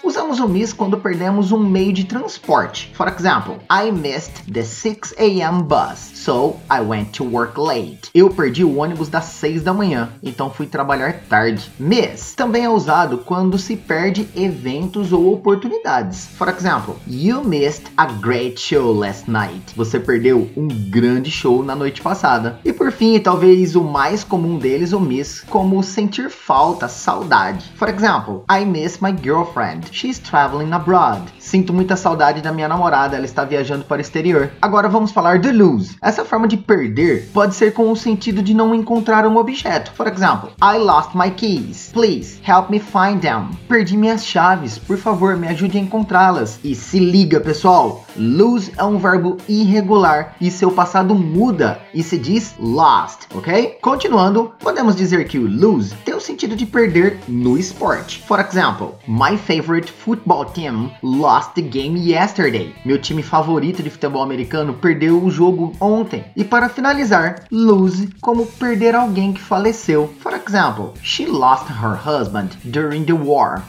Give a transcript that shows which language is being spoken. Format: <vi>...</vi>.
<pt>Usamos o miss quando perdemos um meio de transporte.</pt> <en>For example, I missed the 6 a.m. bus, so I went to work late.</en> <pt>Eu perdi o ônibus das 6 da manhã, então fui trabalhar tarde. Miss. Também é usado quando se perde eventos ou oportunidades.</pt> <en>For example, you missed a great show last night.</en> <pt>Você perdeu um grande show na noite passada. E por fim, talvez o mais comum deles, o miss, como sentir falta, saudade.</pt> <en>For example, I miss my girlfriend. She's traveling abroad.</en> <pt>Sinto muita saudade da minha namorada, ela está viajando para o exterior. Agora vamos falar de lose. Essa forma de perder pode ser com o sentido de não encontrar um objeto.</pt> <en>For example, I lost my keys. Please, help me find them.</en> <pt>Perdi minhas chaves. Por favor, me ajude a encontrá-las. E se liga, pessoal. Lose é um verbo irregular e seu passado muda e se diz lost, ok? Continuando, podemos dizer que o lose tem o sentido de perder no esporte.</pt> <en>For example, my favorite football team lost the game yesterday.</en> <pt>Meu time favorito de futebol americano perdeu o jogo ontem. E para finalizar, lose como perder alguém que faleceu.</pt> <en>For example, she lost her husband during the war.</en>